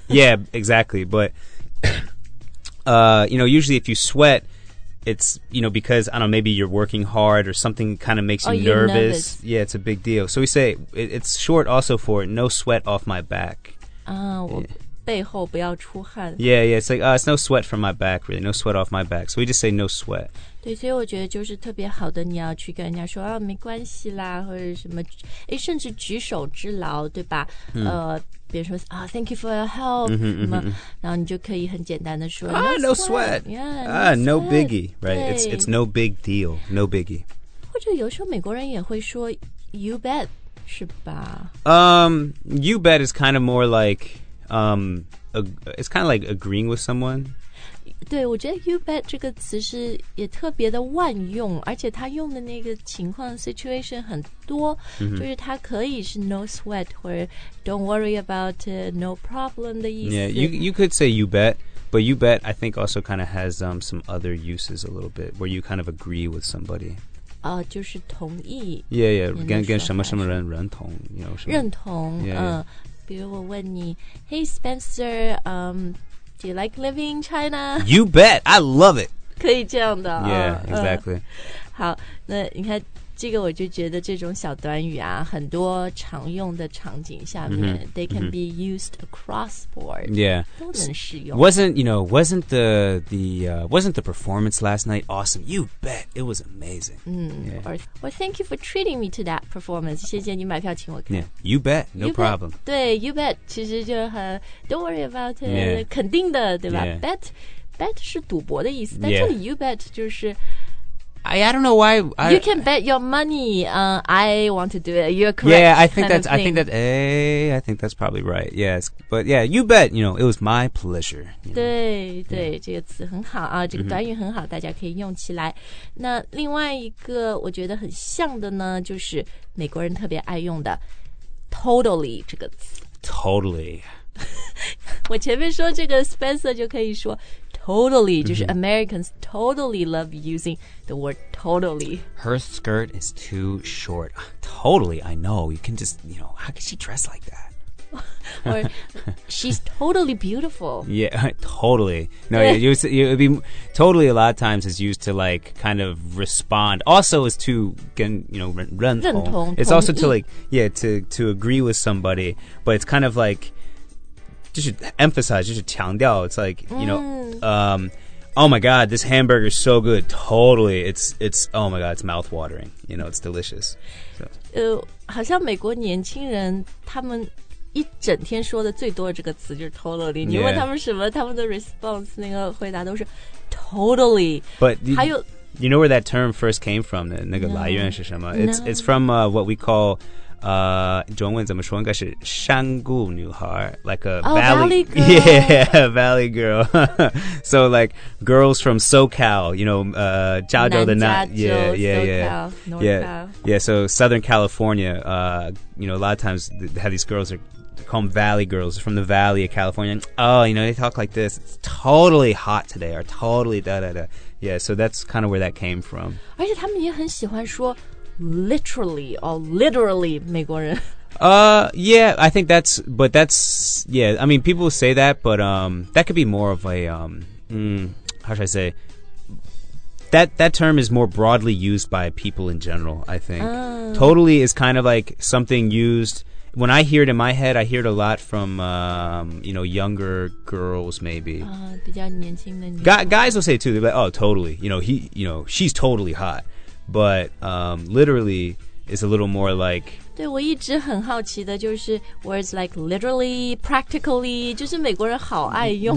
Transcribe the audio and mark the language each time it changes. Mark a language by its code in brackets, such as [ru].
[en] Yeah, exactly, but, you know, usually if you sweat, it's, you know, because, I don't know, maybe you're working hard or something kind of makes you nervous. Yeah, it's a big deal. So we say, it's short also for no sweat off my back. [zh] Yeah. 背后不要出汗 [en] Yeah, yeah, it's like, it's no sweat from my back, really, no sweat off my back. So we just say no sweat. [zh] 对，所以我觉得就是特别好的，你要去跟人家说啊，没关系啦，或者什么，哎，甚至举手之劳，对吧？比如说啊 ， [en] Thank you for your help， [zh] 然后你就可以很简单的说 [en] ，No sweat， yeah， no biggie， right？ It's no big deal， no biggie。 [zh] 或者有时候美国人也会说 ，You bet， 是吧 [en] ？You bet is kind of more like it's kind of like agreeing with someone。 [zh] 对，我觉得 you bet 这个词是也特别的万用，而且它用的那个情况 situation 很多，就是它可以是 no sweat 或者 [en] don't worry about it, no problem [zh] 的意思。 [en] Yeah, you could say you bet, but you bet I think also kind of has some other uses a little bit where you kind of agree with somebody. [zh] 就是同意。 Yeah, yeah, 跟什么什么人认同， you know, 认同。 [en] Yeah. [zh] 比如我问你 [en] ，Hey Spencer, Do you like living in China? You bet. I love it. [zh] 可以这样的、哦。 [en] Yeah, exactly.、 [zh] 好，那你看这个我就觉得这种小短语啊很多常用的场景下面、 [en] they can be used across board. Yeah. [zh] 都能适用。 [en] Wasn't the performance last night awesome? You bet. It was amazing. Or thank you for treating me to that performance. [zh] 谢谢你买票请我看。 [en] Yeah, you bet. No you problem. Bet, [zh] 对 [en] ,you bet. [zh] 其实就很 [en] don't worry about it.、 Yeah. [zh] 肯定的对吧、 [en] yeah. [zh] Bet 是赌博的意思。 [en] Yeah. [zh] 但这里 you bet 就是 [en] I don't know why. You can bet your money. I want to do it. You're correct. Yeah, I think that's probably right. Yes. But yeah, you bet. You know, it was my pleasure. [zh] 对对、yeah. 这个词很好啊，这个短语很好、大家可以用起来。那另外一个我觉得很像的呢，就是美国人特别爱用的 totally 这个词。 [en] Totally. [zh] 我前面说这个 Spencer 就可以说 [en] totally,、mm-hmm. [zh] 就是 [en] Americans totally love using the word totally. Her skirt is too short. Totally, I know. You can just, you know, how could she dress like that? Or, she's totally beautiful. Yeah, totally. No, you would be totally a lot of times is used to like kind of respond. Also, is to, you know, [zh] 认同 [en] It's also to like, yeah, to agree with somebody. But it's kind of like, just emphasize, just 强调 It's like, you know, oh my God, this hamburger is so good. Totally. It's, oh my God, it's mouthwatering. You know, it's delicious. So. [zh] 好像美国年轻人他们一整天说的最多的这个词就是 totally、 [en] yeah. [zh] 你问他们什么他们的 response 那个回答都是 totally [en] but you, [zh] 还有 [en] you know where that term first came from [zh] 的那个来源是什么 [en] no, it's from、what we call、 [zh] 中文怎么说应该是山谷女孩 [en] like a valley girl yeah valley girl so like girls from SoCal you know [zh] 加州的那 [en] yeah so Southern California、you know a lot of times how these girls areCall them Valley Girls from the Valley of California. Oh, you know, they talk like this. It's totally hot today or totally da-da-da. Yeah, so that's kind of where that came from. [zh] 而且他们也很喜欢说 literally or literally 美国人。 [en] Yeah, I think that's, but that's, yeah, I mean, people say that, but that could be more of a, how should I say? That term is more broadly used by people in general, I think. Totally is kind of like something used... When I hear it in my head, I hear it a lot from, you know, younger girls, maybe. [zh] 比较年轻的女孩。 [en] Guys will say it too. They're like, oh, totally. You know, she's totally hot. But, literally, it's a little more like... [zh] 对,我一直很好奇的就是 [en] words like literally, practically, [zh] 就是美国人好爱用。